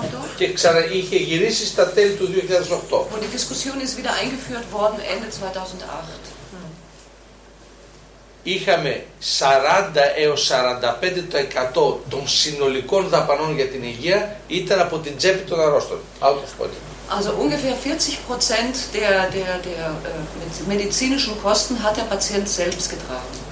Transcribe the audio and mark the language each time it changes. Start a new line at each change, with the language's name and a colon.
German: Und die Diskussion ist wieder eingeführt worden Ende 2008.
Greek: Είχαμε 40 έως 45% των συνολικών δαπανών για την υγεία ήταν από την τσέπη των αρρώστων.
English: Out of pocket.
German: Also ungefähr 40% der medizinischen Kosten hat der Patient selbst getragen.